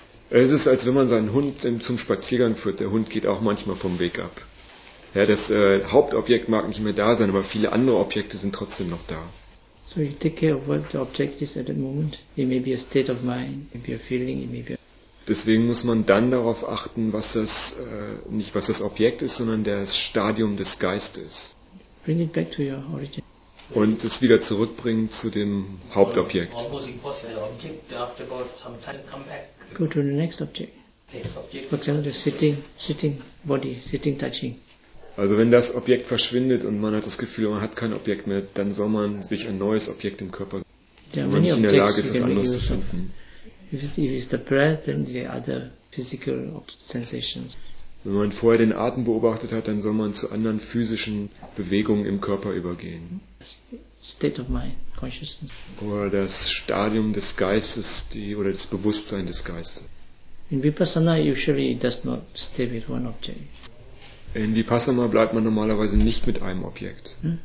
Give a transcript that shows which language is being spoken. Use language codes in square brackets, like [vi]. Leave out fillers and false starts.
[de] Es ist, als wenn man seinen Hund zum Spaziergang führt. Der Hund geht auch manchmal vom Weg ab. Ja, das Hauptobjekt mag nicht mehr da sein, aber viele andere Objekte sind trotzdem noch da. [en] So you take care of what the object is at that moment. It may be a state of mind, it may be a feeling, it may be a... [de] Deswegen muss man dann darauf achten, was das, nicht was das Objekt ist, sondern das Stadium des Geistes. [en] Bring it back to your origin. [de] Und es wieder zurückbringen zu dem Hauptobjekt. [en] Almost impossible. The object after about some time come back. Go to the next object. For example, the sitting body, sitting touching. [de] Also wenn das Objekt verschwindet und man hat das Gefühl, man hat kein Objekt mehr, dann soll man sich ein neues Objekt im Körper suchen. Wenn man in der Lage ist, es anders zu finden. [en] If it's the breath, then the other physical sensations. [de] Wenn man vorher den Atem beobachtet hat, dann soll man zu anderen physischen Bewegungen im Körper übergehen. [en] State of mind, consciousness. [de] Oder das Stadium des Geistes, oder das Bewusstsein des Geistes. [en] In Vipassana usually does not stay with one object. [de] In Vipassana bleibt man normalerweise nicht mit einem Objekt.